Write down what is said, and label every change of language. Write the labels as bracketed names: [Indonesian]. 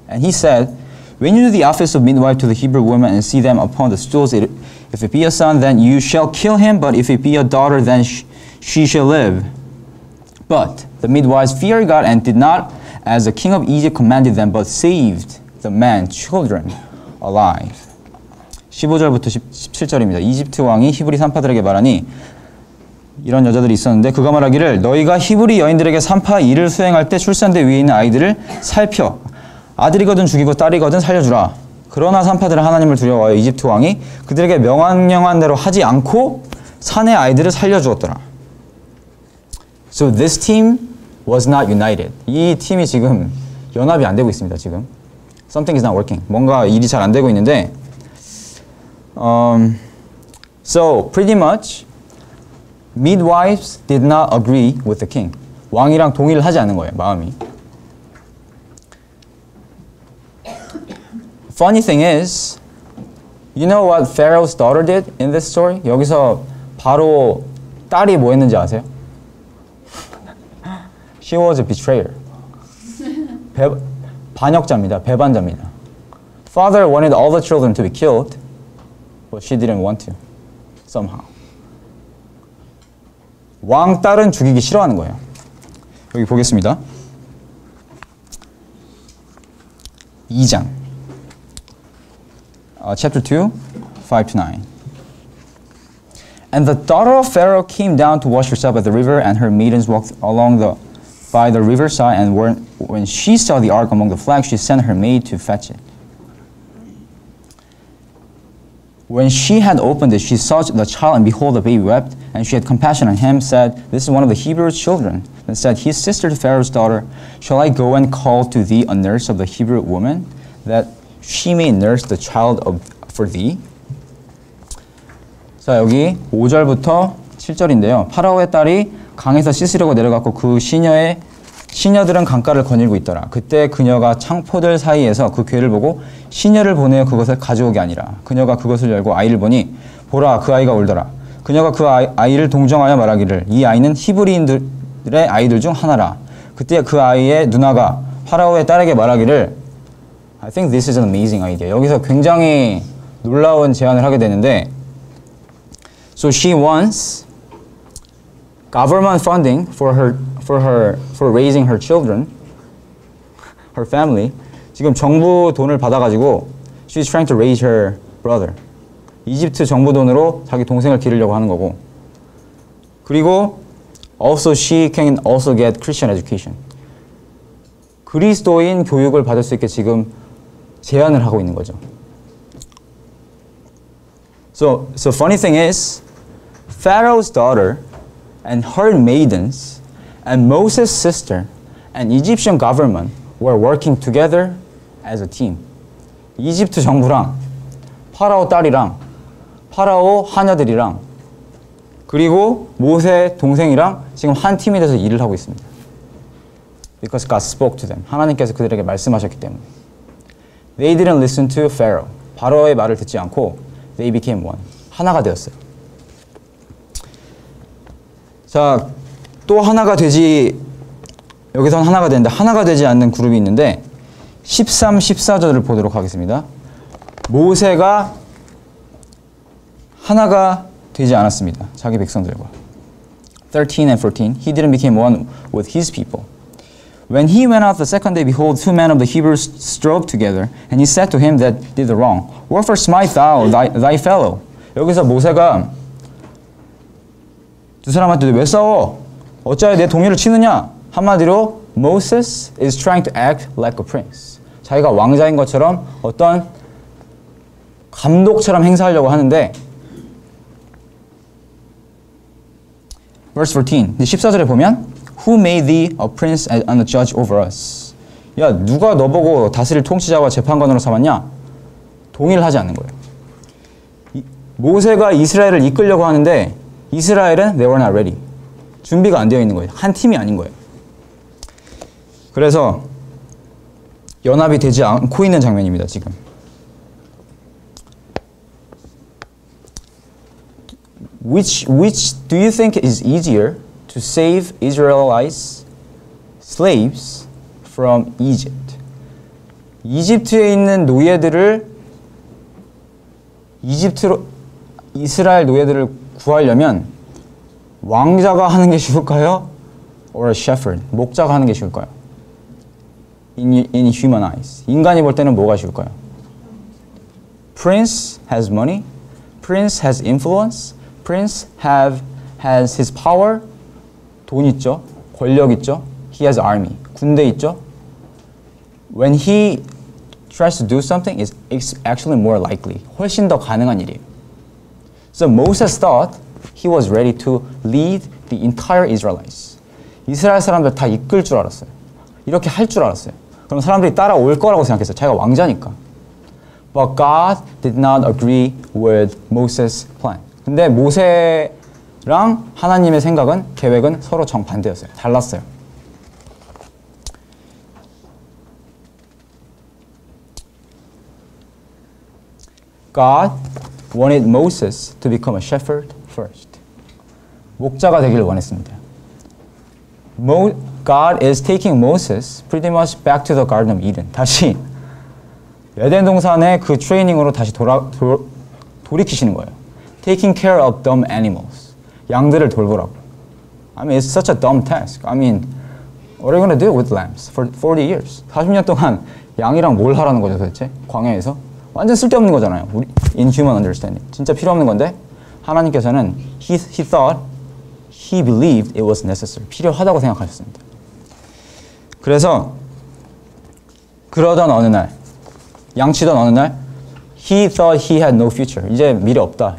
[English] And he said, When you do the office of midwife to the Hebrew woman and see them upon the stools, if it be a son, then you shall kill him, but if it be a daughter, then she shall live. But the midwives feared God and did not, as the king of Egypt commanded them, but saved the man's children alive. [Korean] 15절부터 17절입니다. 이집트 왕이 히브리 산파들에게 말하니 이런 여자들이 있었는데 그가 말하기를 너희가 히브리 여인들에게 산파 일을 수행할 때 출산대 위에 있는 아이들을 살펴 아들이거든 죽이고 딸이거든 살려주라. 그러나 산파들은 하나님을 두려워하여 이집트 왕이 그들에게 명령한 대로 하지 않고 산의 아이들을 살려주었더라. [English] So this team was not united. [Korean] 이 팀이 지금 연합이 안 되고 있습니다. 지금 [English] Something is not working. [Korean] 뭔가 일이 잘 안 되고 있는데 [English] So pretty much midwives did not agree with the king. [Korean] 왕이랑 동의를 하지 않는 거예요. 마음이. [English] Funny thing is, you know what Pharaoh's daughter did in this story? [Korean] 여기서 바로 딸이 뭐 했는지 아세요? [English] She was a betrayer. [Korean] 반역자입니다. 배반자입니다. [English] Father wanted all the children to be killed. But she didn't want to, somehow. [Korean] 왕 딸은 죽이기 싫어하는 거예요. 여기 보겠습니다. 2장. [English] Chapter 2, 5-9. And the daughter of Pharaoh came down to wash herself at the river, and her maidens walked along by the riverside, and when she saw the ark among the flags, she sent her maid to fetch it. When she had opened it, she saw the child, and behold, the baby wept, and she had compassion on him, said, This is one of the Hebrew children, and said, His sister to Pharaoh's daughter, Shall I go and call to thee a nurse of the Hebrew woman, that she may nurse the child for thee? [Korean] 자, 여기 5절부터 7절인데요. 파라오의 딸이 강에서 씻으려고 내려갔고 그 시녀들은 강가를 거닐고 있더라. 그때 그녀가 창포들 사이에서 그 괴를 보고 시녀를 보내어 그것을 가져오게 아니라 그녀가 그것을 열고 아이를 보니 보라 그 아이가 울더라. 그녀가 그 아이를 동정하여 말하기를 이 아이는 히브리인들의 아이들 중 하나라. 그때 그 아이의 누나가 파라오의 딸에게 말하기를 [English] I think this is an amazing idea. [Korean] 여기서 굉장히 놀라운 제안을 하게 되는데 [English] So she wants government funding for raising her children, her family. [Korean] 지금 정부 돈을 받아가지고 [English] she's trying to raise her brother. [Korean] 이집트 정부 돈으로 자기 동생을 기르려고 하는 거고. 그리고 [English] Also, she can also get Christian education. [Korean] 그리스도인 교육을 받을 수 있게 지금 제안을 하고 있는 거죠. [English] So funny thing is, Pharaoh's daughter and her maidens and Moses' sister and Egyptian government were working together as a team. [Korean] 이집트 정부랑 파라오 딸이랑 파라오 하녀들이랑 그리고 모세 동생이랑 지금 한 팀이 돼서 일을 하고 있습니다. [English] Because God spoke to them. [Korean] 하나님께서 그들에게 말씀하셨기 때문에. [English] They didn't listen to Pharaoh. [Korean] 바로의 말을 듣지 않고 [English] they became one. [Korean] 하나가 되었어요. 자, 또 하나가 되지 여기선 하나가 되는데 하나가 되지 않는 그룹이 있는데 13, 14절을 보도록 하겠습니다. 모세가 하나가 되지 않았습니다. 자기 백성들과. [English] 13 and 14. He didn't become one with his people. When he went out the second day, behold, two men of the Hebrews strove together, and he said to him that did the wrong, Wherefore smite thou thy fellow? [Korean] 여기서 모세가 두 사람한테 왜 싸워? 어찌하여 내 동료를 치느냐? 한마디로 [English] Moses is trying to act like a prince. [Korean] 자기가 왕자인 것처럼 어떤 감독처럼 행사하려고 하는데 [English] Verse 14. [Korean] 14절에 보면 [English] Who made thee a prince and a judge over us? [Korean] 야, 누가 너보고 다스릴 통치자와 재판관으로 삼았냐? 동의를 하지 않는 거예요. 모세가 이스라엘을 이끌려고 하는데 이스라엘은 [English] they were not ready. [Korean] 준비가 안 되어 있는 거예요. 한 팀이 아닌 거예요. 그래서 연합이 되지 않고 있는 장면입니다, 지금. [English] which do you think is easier to save Israelites slaves from Egypt? [Korean] 이집트에 있는 노예들을 이집트로 이스라엘 노예들을 구하려면 왕자가 하는 게 쉬울까요? [English] Or a shepherd, [Korean] 목자가 하는 게 쉬울까요? [English] In human eyes. [Korean] 인간이 볼 때는 뭐가 쉬울까요? [English] Prince has money. Prince has influence. Prince has his power. [Korean] 돈 있죠. 권력 있죠. [English] He has army. [Korean] 군대 있죠. [English] When he tries to do something, it's actually more likely. [Korean] 훨씬 더 가능한 일이에요. [English] So Moses thought he was ready to lead the entire Israelites. [Korean] 이스라엘 사람들 다 이끌 줄 알았어요. 이렇게 할 줄 알았어요. 그럼 사람들이 따라올 거라고 생각했어요. 자기가 왕자니까. [English] But God did not agree with Moses' plan. [Korean] 근데 모세랑 하나님의 생각은, 계획은 서로 정반대였어요. 달랐어요. [English] God wanted Moses to become a shepherd first. [Korean] 목자가 되기를 원했습니다. [English] God is taking Moses pretty much back to the Garden of Eden. [Korean] 다시 에덴 동산의 그 트레이닝으로 다시 돌이키시는 거예요. [English] Taking care of dumb animals. [Korean] 양들을 돌보라고. [English] I mean, it's such a dumb task. I mean, what are you going to do with lambs for 40 years? [Korean] 40년 동안 양이랑 뭘 하라는 거죠, 도대체? 광야에서? 완전 쓸데없는 거잖아요. [English] In human understanding. [Korean] 진짜 필요 없는 건데 하나님께서는 [English] He believed it was necessary. [Korean] 필요하다고 생각하셨습니다. 그래서 그러던 어느 날, 양치던 어느 날, [English] he thought he had no future. [Korean] 이제 미래 없다.